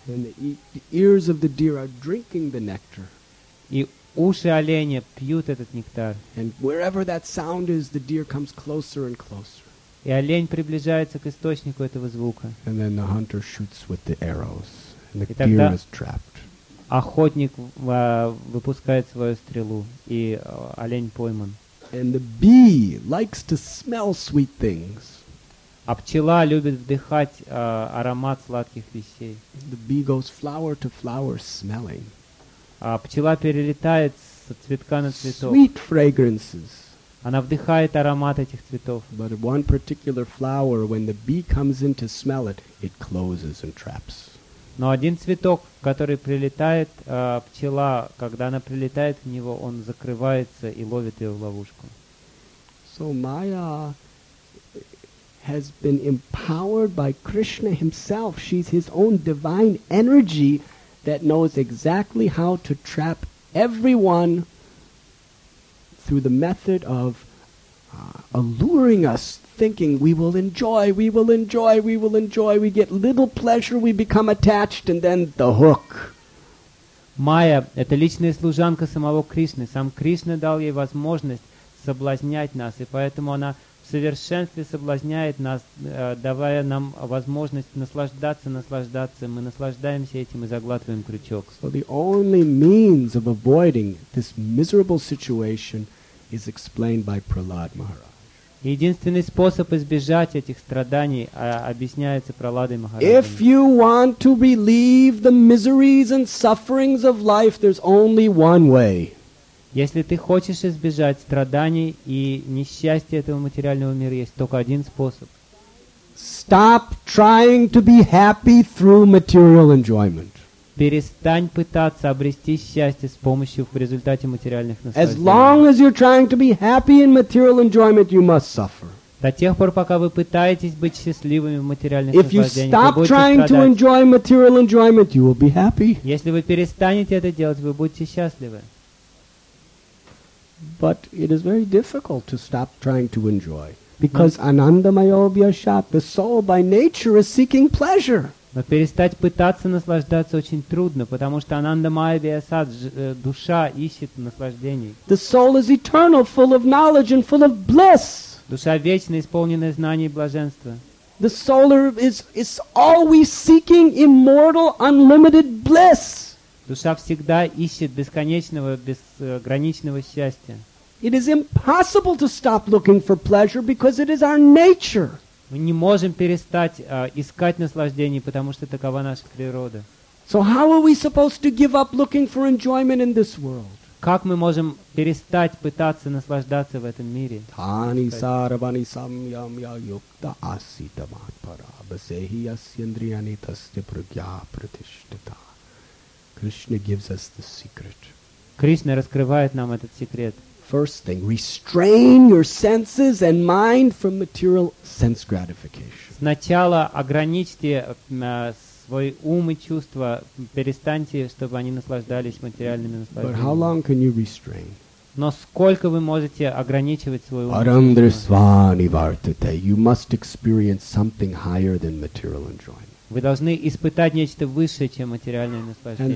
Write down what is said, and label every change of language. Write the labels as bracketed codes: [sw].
[en] And the ears of the deer are drinking the nectar. [ru] И уши оленя пьют этот нектар. [en] And wherever that sound is, the deer comes closer and closer. [ru] И олень приближается к источнику этого звука. [en] And then the hunter shoots with the arrows, and the deer is trapped. [ru] Охотник выпускает свою стрелу, и олень пойман. [en] And the bee likes to smell sweet things. [ru] А пчела любит вдыхать аромат сладких вещей. [en] The bee goes flower to flower smelling. [ru] А пчела перелетает с цветка на цветок. [en] Sweet fragrances. [ru] Она вдыхает аромат этих цветов. [en] But one particular flower, when the bee comes in to smell it, it closes and traps. [ru] Но один цветок, который прилетает, пчела, когда она прилетает в него, он закрывается и ловит ее в ловушку. [en] So Maya has been empowered by Krishna himself. She's his own divine energy that knows exactly how to trap everyone through the method of alluring us, thinking we will enjoy, we will enjoy, we will enjoy. We get little pleasure, we become attached, and then the hook. [ru] Maya – это личная служанка самого Кришны. Сам Кришна дал ей возможность соблазнять нас, и поэтому она в совершенстве соблазняет нас, давая нам возможность наслаждаться, наслаждаться. Мы наслаждаемся этим и заглатываем крючок. [en] So the only means of avoiding this miserable situation is explained by Prahlad Maharaj. [ru] Единственный способ избежать этих страданий объясняется Прахладой Махараджем. [en] If you want to relieve the miseries and sufferings of life, there's only one way. [ru] Если ты хочешь избежать страданий и несчастья этого материального мира, есть только один способ. [en] Stop trying to be happy through material enjoyment. [ru] Перестань пытаться обрести счастье с помощью в результате материальных наслаждений. [en] As long as you're trying to be happy in material enjoyment, you must suffer. [ru] До тех пор, пока вы пытаетесь быть счастливыми в материальных наслаждениях, вы будете страдать. [en] To enjoy material enjoyment, you will be happy. [ru] Если вы перестанете это делать, вы будете счастливы. [en] But it is very difficult to stop trying to enjoy, because anandamayobhyashat, the soul by nature is seeking pleasure. [ru] Но перестать пытаться наслаждаться очень трудно, потому что анандамайобхиасат, душа ищет наслаждений. [en] The soul is eternal, full of knowledge and full of bliss. [ru] Душа вечна, исполненная знаний и блаженства. [en] The soul is always seeking immortal, unlimited bliss. [ru] Душа всегда ищет бесконечного, безграничного счастья. [en] It is impossible to stop looking for pleasure because it is our nature. [ru] Мы не можем перестать искать наслаждений, потому что такова наша природа. [en] So how are we supposed to give up looking for enjoyment in this world? [ru] Как мы можем перестать пытаться наслаждаться в этом мире? [sa] Тани сарвани самьямья юкта аситамат парабасехи асьяндрияни тасте прагья пратиштита. [en] Krishna gives us the secret. [ru] Krishna раскрывает нам этот секрет. [en] First thing, restrain your senses and mind from material sense gratification. [ru] Сначала ограничьте свой ум и чувства, перестаньте, чтобы они наслаждались материальными наслаждениями. [en] But how long can you restrain? [ru] Но сколько вы можете ограничивать свой ум? [sa] Arandrasvani vartate. [en] You must experience something higher than material enjoyment. [ru] Вы должны испытать нечто высшее, чем материальное наслаждение.